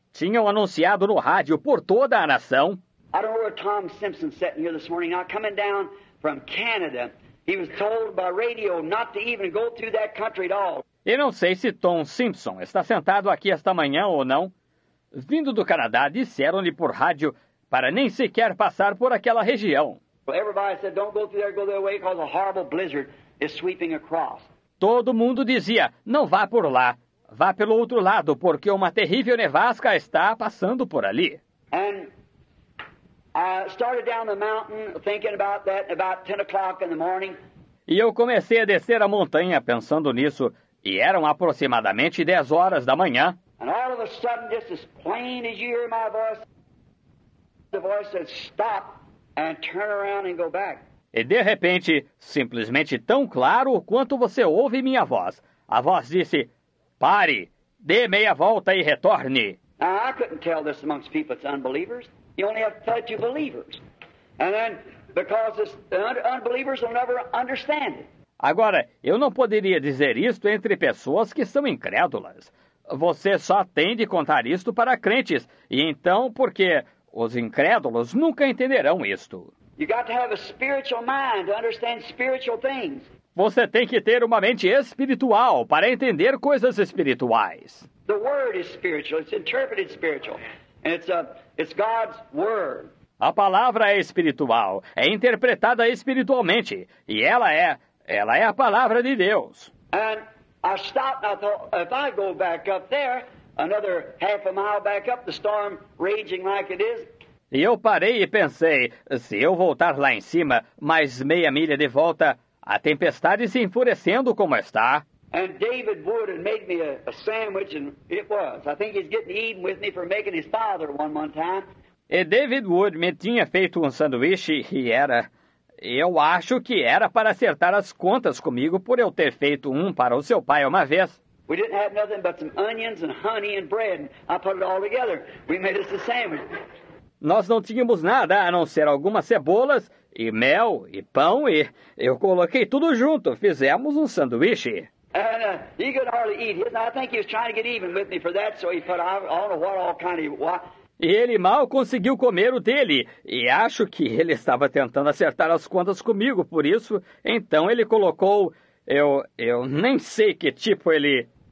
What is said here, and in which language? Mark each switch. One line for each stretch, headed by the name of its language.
Portuguese: Tinham anunciado no rádio por toda a nação.
English: I don't know where Tom Simpson sitting here this morning. Now coming down from Canada, he was told by radio not to even go through that country at all.
Portuguese: Eu não sei se Tom Simpson está sentado aqui esta manhã ou não. Vindo do Canadá, disseram-lhe por rádio para nem sequer passar por aquela região.
English: Everybody said, don't go through there, go the other way, because a horrible blizzard is sweeping across.
Portuguese: Todo mundo dizia, não vá por lá, vá pelo outro lado, porque uma terrível nevasca está passando por ali.
English: And I started down the mountain thinking about that about 10 o'clock in the morning.
Portuguese: E eu comecei a descer a montanha pensando nisso, e eram aproximadamente 10 horas da manhã.
English: And all of a sudden, just as plain as you hear my voice, the voice said, stop and turn around and go back.
Portuguese: E de repente, simplesmente tão claro quanto você ouve minha voz, a voz disse, pare, dê meia volta e retorne.
English: Now, I couldn't tell this amongst people that's unbelievers. You only have to touch believers. And then, because it's, unbelievers will never understand it.
Portuguese: Agora, eu não poderia dizer isto entre pessoas que são incrédulas. Você só tem de contar isto para crentes. E então, por quê? Os incrédulos nunca entenderão isto.
English: You got to have a spiritual mind to understand spiritual things.
Portuguese: Você tem que ter uma mente espiritual para entender coisas espirituais.
English: The word is spiritual. It's interpreted spiritual. And it's God's word.
Portuguese: A palavra é espiritual. É interpretada espiritualmente. E ela é... ela é a palavra de Deus.
English: And I stopped and I thought, if I go back up there, another half a mile back up, the storm raging like it is.
Portuguese: E eu parei e pensei, se eu voltar lá em cima, mais meia milha de volta, a tempestade se enfurecendo como está.
English: And David Wood had made me a sandwich, and it was. I think he's getting even with me for making his father one time.
Portuguese: E David Wood me tinha feito um sanduíche e era... eu acho que era para acertar as contas comigo por eu ter feito um para o seu pai uma vez.
English: We didn't have nothing but some onions and honey and bread. I put it all together. We made us a sandwich.
Portuguese: Nós não tínhamos nada a não ser algumas cebolas e mel e pão e eu coloquei tudo junto. Fizemos um sanduíche.
English: And he could hardly eat. I think he was trying to get even with me for that, so he put I don't know what all kind of what.
Portuguese: E ele mal conseguiu comer o dele, e acho que ele estava tentando acertar as contas comigo, por isso, então ele colocou, eu nem sei que tipo ele...